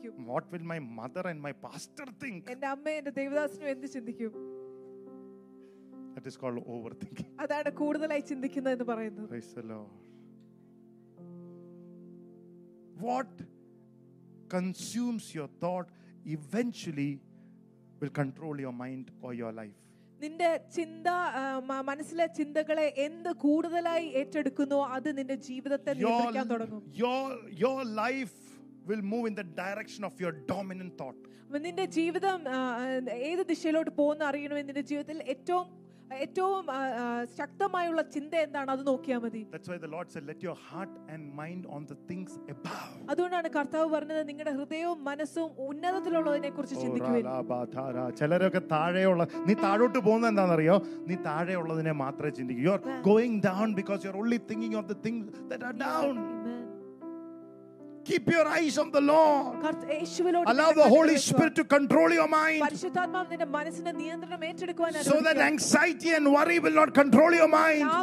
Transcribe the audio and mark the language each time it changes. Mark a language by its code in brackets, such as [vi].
[en] What will my mother and my pastor think? [ml] എന്റെ അമ്മ എന്റെ ദൈവദാസനും എന്ത് ചിന്തിക്കും? [en] That is called overthinking. [ml] അതാണ് കൂടുതലായി ചിന്തിക്കുന്നത് എന്ന് പറയുന്നത്. [en] Praise the Lord. What consumes your thought eventually will control your mind or your life. [ml] നിന്റെ ചിന്ത മനസ്സിലെ ചിന്തകളെ എന്ത് കൂടുതലായി ഏറ്റെടുക്കുന്നു അത് നിന്റെ ജീവിതത്തെ നിയന്ത്രിക്കാൻ തുടങ്ങും. [en] Your life will move in the direction of your dominant thought. [ml] നിന്റെ ജീവിതം ഏത് ദിശയിലോട്ട് പോകുന്നു അറിയണമെങ്കിൽ നിന്റെ ജീവിതത്തിൽ ഏറ്റവും ശക്തമായുള്ള ചിന്ത എന്താണ് അത് നോക്കിയാൽ മതി. [en] That's why the Lord said, let your heart and mind on the things above. [ml] അതുകൊണ്ടാണ് കർത്താവ് പറഞ്ഞത് നിങ്ങളുടെ ഹൃദയവും മനസ്സും ഉന്നതത്തിലുള്ളതിനെ കുറിച്ച് ചിന്തിക്കുക. ചിലരൊക്കെ താഴെയുള്ള നീ താഴോട്ട് പോകുന്ന എന്താണെന്നറിയോ, നീ താഴെയുള്ളതിനെ മാത്രമേ ചിന്തിക്കൂ. [en] You are going down because you are only thinking of the things that are down. Keep your eyes on the Lord. Allow the Holy Spirit to control your mind so that anxiety and worry will not control your mind.